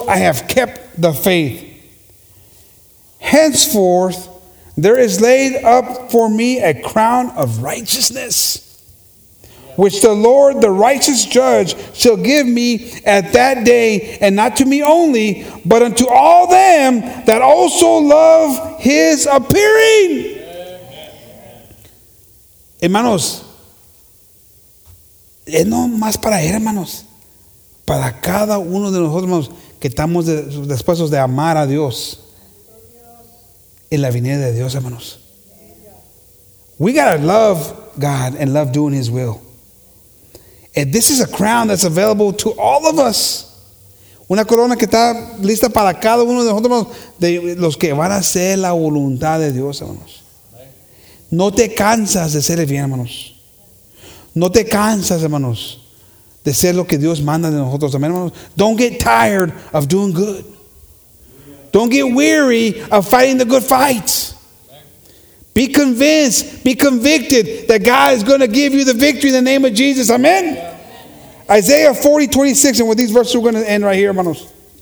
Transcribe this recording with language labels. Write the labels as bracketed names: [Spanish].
[English] I have kept the faith. Henceforth, there is laid up for me a crown of righteousness, which the Lord, the righteous judge, shall give me at that day, and not to me only, but unto all them that also love his appearing. Amen. [Spanish] Hermanos, es no más para él, hermanos, para cada uno de nosotros, hermanos, que estamos dispuestos de amar a Dios en la venida de Dios, hermanos. [English] We gotta love God and love doing his will. And this is a crown that's available to all of us. [Spanish] Una corona que está lista para cada uno de nosotros, de los que van a hacer la voluntad de Dios, hermanos. No te cansas de ser el bien, hermanos. No te cansas, hermanos, de ser lo que Dios manda de nosotros. Amén, hermanos. [English] Don't get tired of doing good. Don't get weary of fighting the good fight. Be convinced, be convicted that God is going to give you the victory in the name of Jesus. Amen. Yeah. Isaiah 40, 26. And with these verses, we're going to end right here, hermanos.